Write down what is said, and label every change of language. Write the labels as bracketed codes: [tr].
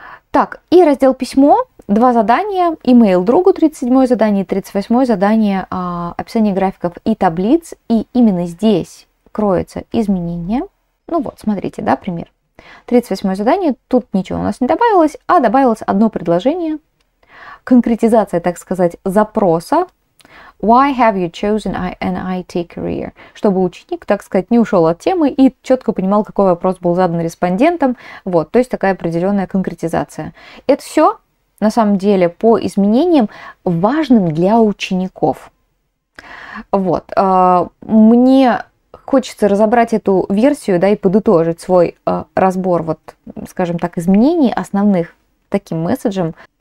[ru] Так, и раздел письмо. Два задания, имейл другу, 37-е задание, 38-е задание, описание графиков и таблиц. И именно здесь кроется изменение. Ну вот, смотрите, да, пример. 38-е задание, тут ничего у нас не добавилось, а добавилось одно предложение. Конкретизация, так сказать, запроса. [en] Why have you chosen an IT career? [ru] Чтобы ученик, так сказать, не ушел от темы и четко понимал, какой вопрос был задан респондентом. Вот, то есть такая определенная конкретизация. Это все на самом деле по изменениям, важным для учеников. Вот. Мне хочется разобрать эту версию, да, и подытожить свой разбор, вот, скажем так, изменений основных таким месседжем.